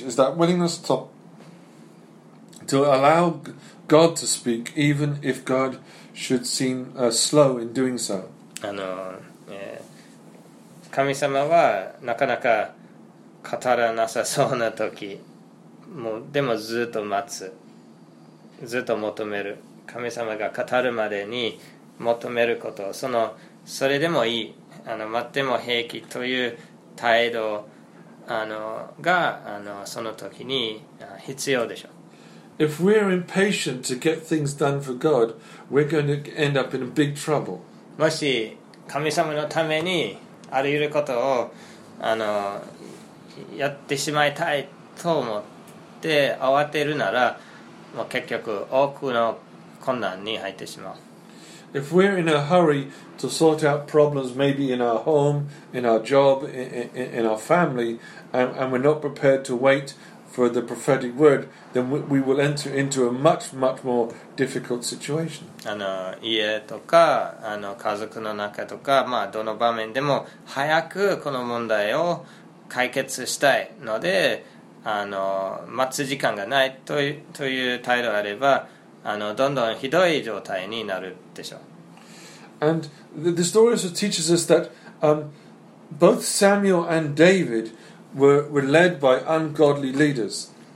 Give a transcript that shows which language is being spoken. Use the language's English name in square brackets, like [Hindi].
[English] Is that willingness to allow God to speak, even if God should seem slow in doing so? [Japanese] あの、神様はなかなか語らなさそうな時、もうでもずっと待つ、ずっと求める。神様が語るまでに求めること、そのそれでもいい。あの待っても平気という態度あのがあのその時に必要でしょう。 [English] If we're impatient to get things done for God, we're going to end up in a big trouble. [Japanese] もし神様のためにあらゆることをあのやってしまいたいと思って慌てるなら、もう結局多くの困難に入ってしまう。 [English] If we're in a hurry to sort out problems maybe in our home, in our job, in our family, and we're not prepared to wait for the prophetic word, then we will enter into a much, much more difficult situation. [Japanese] あの、家とか、あの、家族の中とか、まあ、どの場面でも早くこの問題を解決したいので、あの、待つ時間がないという態度があれば、あのどんどんひどい状態になるでしょう。 [English] And the story also teaches us that both Samuel and David were led by ungodly leaders.